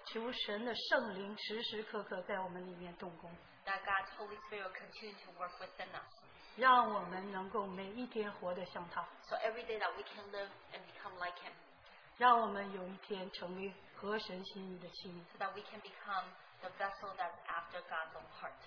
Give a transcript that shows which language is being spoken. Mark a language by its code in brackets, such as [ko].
[zh] 求神的圣灵时时刻刻在我们里面动工。 [en] That God's Holy Spirit will continue to work within us. [zh] 让我们能够每一天活得像他。 [en] So every day that we can live and become like Him. [zh] 让我们有一天成为合神心意的器皿。 [en] So that we can become the vessel that's after God's own heart.